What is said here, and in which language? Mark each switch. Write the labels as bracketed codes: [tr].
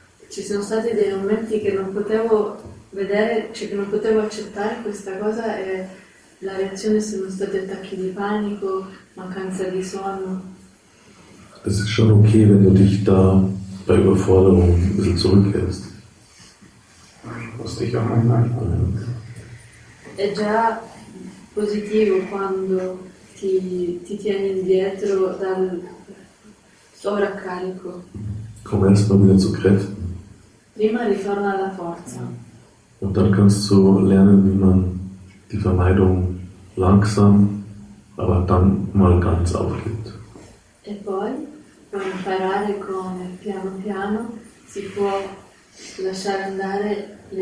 [it] Ci sono stati dei momenti che non potevo vedere, cioè che non potevo accettare questa cosa e la reazione sono stati attacchi di panico, mancanza di sonno. [de] Es ist schon okay, wenn du dich da bei Überforderung ein bisschen zurückhältst. Wusste ich auch manchmal. [it] È già positivo quando ti tieni indietro dal sovraccarico. [de] Komm erstmal wieder zu Kräften. [it] Prima ritorna alla forza. [de] Und dann kannst du lernen, wie man die Vermeidung langsam, aber dann mal ganz aufgibt. [it] E poi puoi imparare come piano piano si può lasciare andare.